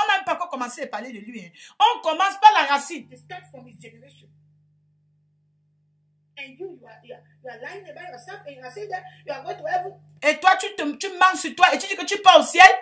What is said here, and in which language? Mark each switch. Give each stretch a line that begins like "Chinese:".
French: On n'a même pas encore commencé à parler de lui. Hein. On commence par la racine.
English: It starts from his generation. And you are lying about yourself and you are saying that you are going to heaven.
French: Et toi, tu mens sur toi et tu dis que tu pars au ciel?